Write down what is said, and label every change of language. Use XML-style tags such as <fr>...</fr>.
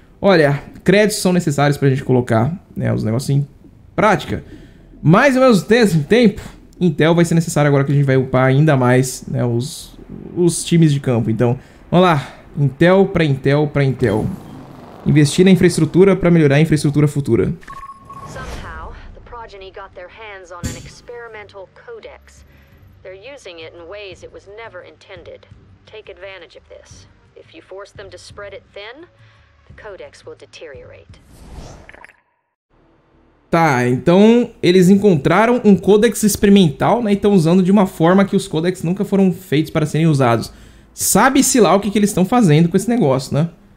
<pt>Olha, créditos são necessários pra gente colocar, né, os negócios em prática. Mais ou menos tempo, Intel vai ser necessário agora que a gente vai upar ainda mais, né, os times de campo. Então, vamos lá. Intel pra Intel pra Intel. Investir na infraestrutura pra melhorar a infraestrutura futura.</pt> <en>Somehow, the progeny got their hands on an experimental codex. They're using it in ways it was never intended. Take advantage of this. If you force them to spread it thin, the codex will deteriorate.</en> <pt>Tá, então eles encontraram um codex experimental, né? E estão usando de uma forma que os codex nunca foram feitos para serem usados. Sabe-se lá o que eles estão fazendo com esse negócio, né?</pt>